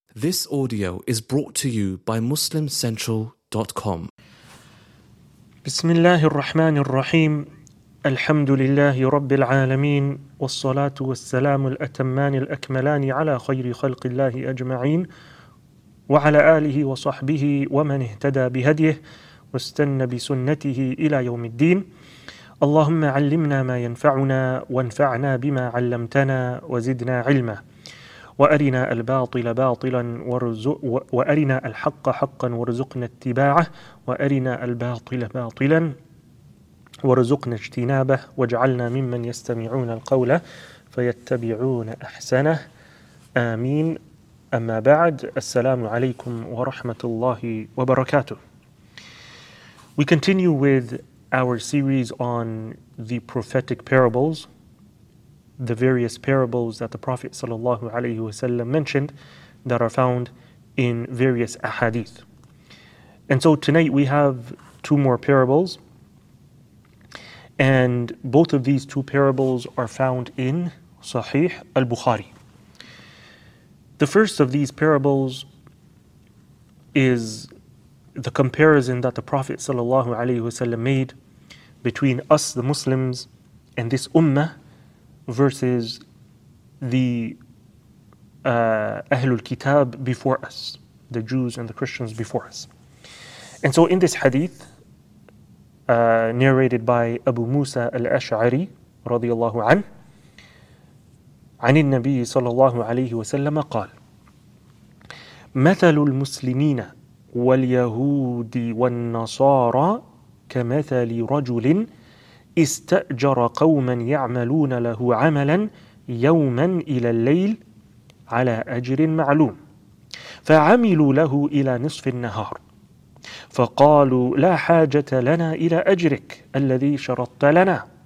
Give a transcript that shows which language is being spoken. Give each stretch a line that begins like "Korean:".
English: This audio is brought to you by MuslimCentral.com.
Arabic: بسم الله الرحمن الرحيم الحمد لله رب العالمين والصلاة والسلام الأتمان الأكملان على خير خلق الله أجمعين وعلى آله وصحبه ومن اهتدى بهديه واستنى بسنته إلى يوم الدين اللهم علمنا ما ينفعنا وانفعنا بما علمتنا وزدنا علما وأرنا الباطل باطلا وأرنا الحق حقا وارزقنا اتباعه وأرنا الباطل باطلا وارزقنا اجتنابه واجعلنا ممن يستمعون القول فيتبعون أحسنه آمين أما بعد السلام عليكم ورحمة الله وبركاته.
English: We continue with our series on the prophetic parables, the various parables that the Prophet sallallahu alaihi wasallam mentioned that are found in various ahadith. And so tonight we have two more parables, and both of these two parables are found in Sahih al-Bukhari. The first of these parables is the comparison that the Prophet sallallahu alaihi wasallam made between us, the Muslims, and this ummah versus the Ahlul Kitab before us, the Jews and the Christians before us. And so in this hadith, narrated by Abu Musa al-Ash'ari radiyallahu anhu, عن النبي صلى الله عليه وسلم قال
Arabic: مثل المسلمين واليهود والنصارى كمثل رجل استأجر قوما يعملون له عملا يوما إلى الليل على أجر معلوم فعملوا له إلى نصف النهار فقالوا لا حاجة لنا إلى أجرك الذي شرطت لنا